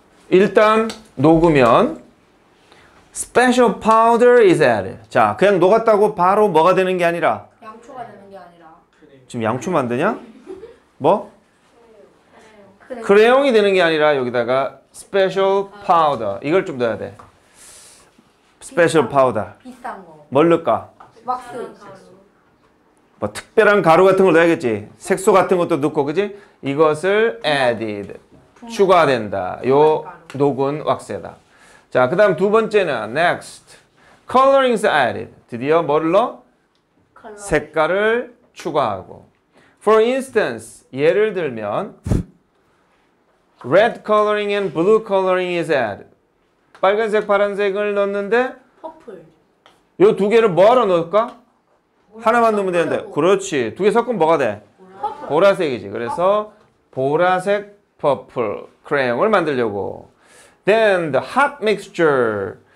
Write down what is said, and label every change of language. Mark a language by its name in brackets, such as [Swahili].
[Korean] 일단 녹으면 [English] special powder is added. [Korean] 자, 그냥 녹았다고 바로 뭐가 되는 게 아니라 양초가 되는 게 아니라 지금 양초 만드냐? 뭐? 크레용이 되는 게 아니라 여기다가 special powder 이걸 좀 넣어야 돼. 스페셜 파우더. 비싼 거. 뭘 넣을까? 왁스. 뭐 특별한 가루 같은 걸 넣어야겠지. 색소 같은 것도 넣고, 그지? 이것을 added. 추가된다. 요 녹은 왁스에다. 자, 그 다음 두 번째는 next. [English] Coloring is added. [Korean] 드디어 뭘 넣어? 색깔을 추가하고. [English] For instance, [Korean] 예를 들면 [English] red coloring and blue coloring is added. [Korean] 빨간색, 파란색을 넣는데 퍼플. 요 두 개를 뭐하러 넣을까? 하나만 넣으면 되는데 그렇지. 두 개 섞으면 뭐가 돼? 퍼플. 보라색이지. 그래서 퍼플. 보라색 퍼플 크레용을 만들려고. [English] Then the hot mixture.